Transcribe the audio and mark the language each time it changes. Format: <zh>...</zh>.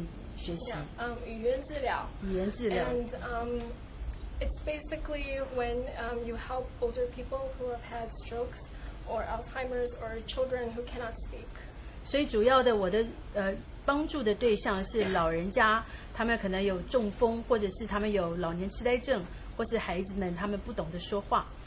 <zh>你们可能有些人不知道我所学的是什么，我是就是纠正语言的这方面的学习。语言治疗。语言治疗。And</zh> <en>it's basically when you help older people who have had strokes or Alzheimer's or children who cannot speak.</en> <zh>所以主要的我的帮助的对象是老人家，他们可能有中风，或者是他们有老年痴呆症。或是孩子们，他们不懂得说话。</zh>